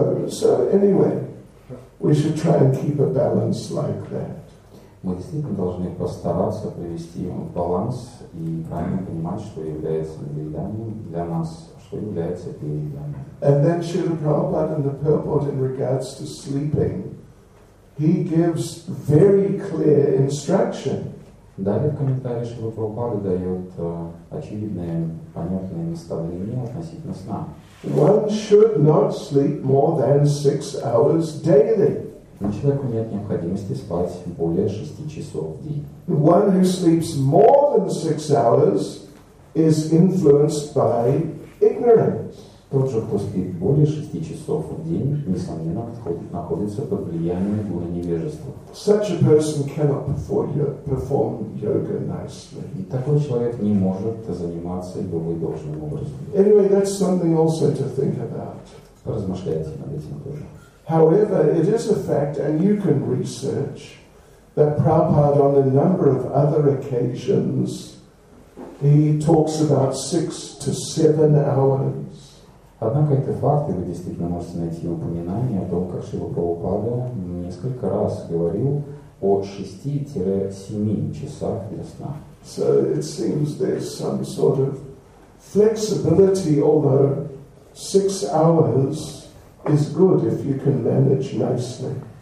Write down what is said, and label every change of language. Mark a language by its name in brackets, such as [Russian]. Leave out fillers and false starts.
[English] So anyway, we should try and keep a balance like that. [Russian] Мы действительно должны постараться привести баланс и правильно понимать, что является недоеданием для нас, что является недоеданием. [English] And then Srila Prabhupada in the purport in regards to sleeping, he gives very clear instruction. [Russian] Далее в комментарии Шрила Прабхупады дает очевидное, понятное наставление относительно сна. [English] One should not sleep more than 6 hours daily. [Russian] Но человеку нет необходимости спать более 6 часов в день. [English] One who sleeps more than 6 hours is influenced by ignorance. [Russian] Тот же, кто спит более 6 часов в день, несомненно, находится под влиянием гуна невежества. [English] Such a person cannot perform yoga nicely. [Russian] И такой человек не может заниматься йогой должным образом. [English] Anyway, that's something also to think about. [Russian] Поразмышляйте над этим тоже. [English] However, it is a fact, and you can research, that Prabhupada on a number of other occasions, he talks about 6 to 7 hours. [Russian] Однако это факт, и вы действительно можете найти упоминание о том, как Шрила Прабхупада несколько раз говорил о 6-7 часах для сна. [English] So it seems there's some sort of flexibility, although 6 hours is good if you can manage nicely.